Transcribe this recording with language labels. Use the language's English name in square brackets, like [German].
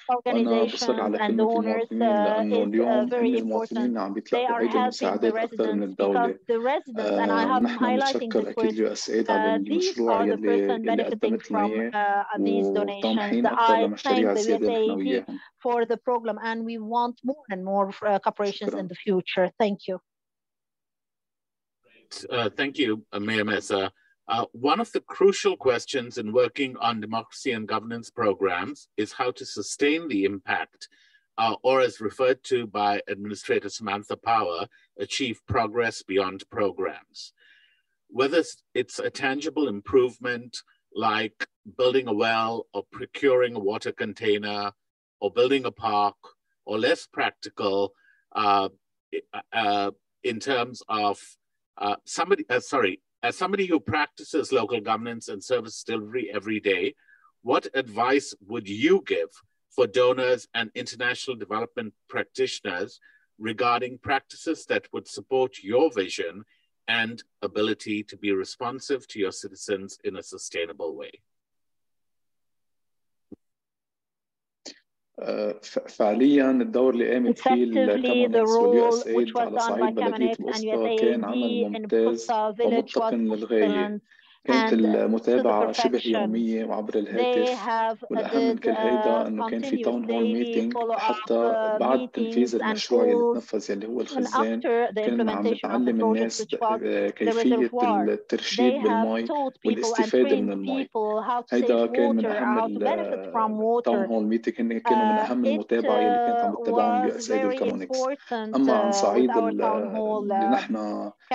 [Arabic] وأنا بصل على كلمة المواطنين لأنه اليوم كل المواطنين عم بيتلقوا أيضا مساعدات أكثر من الدولة نحن نتشكر أكيد USAID على المشروع اللي قدمت لنا وطمحين أكثر لمشاريع زيادة نحنوية [English] for the program and we want more and more corporations in the future. Thank you. Thank you, Mayor Mesa. One of the crucial questions in working on democracy and governance programs is how to sustain the impact, or as referred to by Administrator Samantha Power, achieve progress beyond programs. Whether it's a tangible improvement like building a well or procuring a water container or building a park or less practical in terms of as somebody who practices local governance and service delivery every day, what advice would you give for donors and international development practitioners regarding practices that would support your vision and ability to be responsive to your citizens in a sustainable way? [Arabic] فعليا الدور اللي قامت فيه الكمونكس واليوSAID على صعيد بلدية القسطى كان عمل ممتاز ومتقن للغاية كانت المتابعة شبه يومية وعبر الهاتف والأهم من كل هيدا أنه كان في تاون هول ميتينج حتى بعد تنفيذ المشروع اللي تنفذ اللي هو الخزان كنا عم نتعلم الناس كيفية الترشيد بالماء والاستفادة من الماء هيدا كان من أهم التاون هول ميتينج كنا من أهم المتابعة اللي كانت عم تتابعها من بأسايد الكامونيكس أما عن صعيد اللي نحن